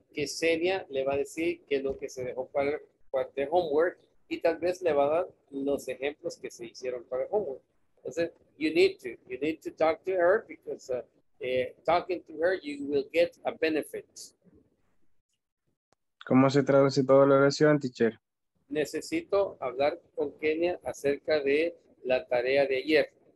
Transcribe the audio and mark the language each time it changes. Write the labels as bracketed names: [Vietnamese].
[Spanish] Que Xenia le va a decir que lo que se dejó para parte de homework y tal vez le va a dar los ejemplos que se hicieron para homework. Entonces, [English] you need to talk to her because talking to her, you will get a benefit. [Spanish] ¿Cómo se traduce toda la oración, teacher? Necesito hablar con Kenia acerca de la tarea de ayer.